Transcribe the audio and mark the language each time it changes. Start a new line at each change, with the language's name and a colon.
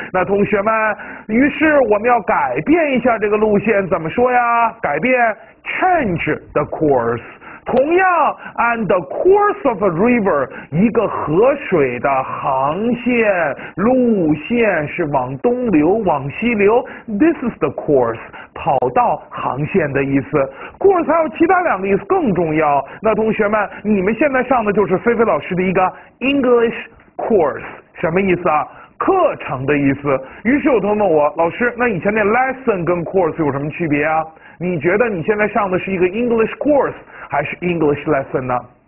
Chinese: 那同学们，于是我们要改变一下这个路线，怎么说呀？改变 change the course，同样 ，
English: and the course of a river，
Chinese: 一个河水的航线路线是往东流，往西流。
English: This is the course，
Chinese: 跑道航线的意思。 course 还有其他两个意思更重要。那同学们，你们现在上的就是菲菲老师的一个 English course， 什么意思啊？课程的意思。于是有同学问我，老师，那以前那 lesson 跟 course 有什么区别啊？你觉得你现在上的是一个 English course 还是 English lesson 呢？